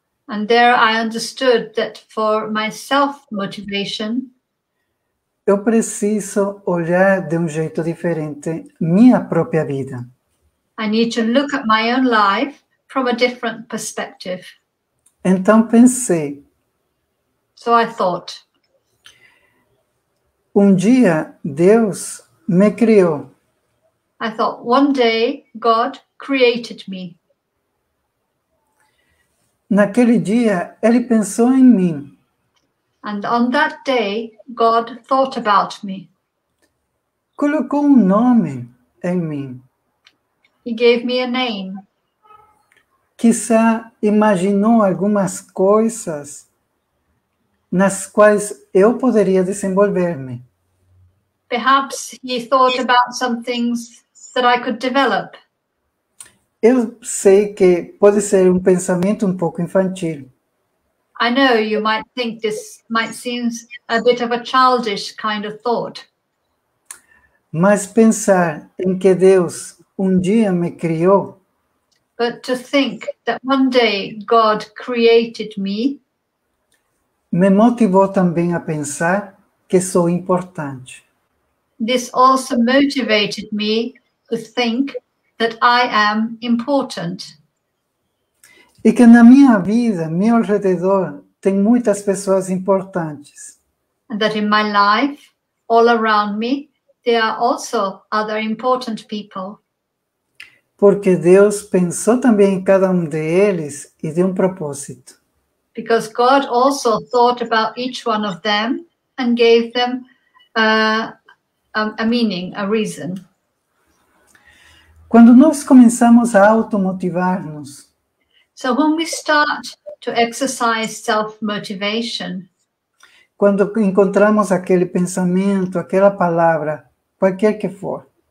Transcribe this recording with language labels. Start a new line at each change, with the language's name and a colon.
English: and there I understood that for my self-motivation,
Portuguese: eu preciso olhar de jeito diferente minha própria vida.
English: I need to look at my own life from a different perspective.
Portuguese: Então pensei.
English: So I thought.
Portuguese: Dia Deus me criou.
English: I thought, one day God created me.
Portuguese: Naquele dia, ele pensou em mim.
English: And on that day, God thought about me.
Portuguese: Colocou nome em mim.
English: He gave me a name.
Portuguese: Quizá imaginou algumas coisas nas quais eu poderia desenvolver-me.
English: Perhaps he thought about some things that I could develop.
Portuguese: Eu sei que pode ser pensamento pouco infantil.
English: I know you might think this might seem a bit of a childish kind of thought.
Portuguese: Mas pensar em que Deus dia me criou.
English: But to think that one day God created me.
Portuguese: Me motivou também a pensar que sou importante.
English: This also motivated me to think that I am important.
Portuguese: E que na minha vida, meu alrededor, tem muitas pessoas importantes.
English: And that in my life, all around me, there are also other important people.
Portuguese: Porque Deus pensou também em cada deles e deu propósito.
English: Because God also thought about each one of them and gave them a meaning, a reason.
Portuguese: Quando nós começamos a automotivar-nos,
English: so when we start to exercise self-motivation,
Portuguese: quando encontramos aquele pensamento, aquela palavra, qualquer que for,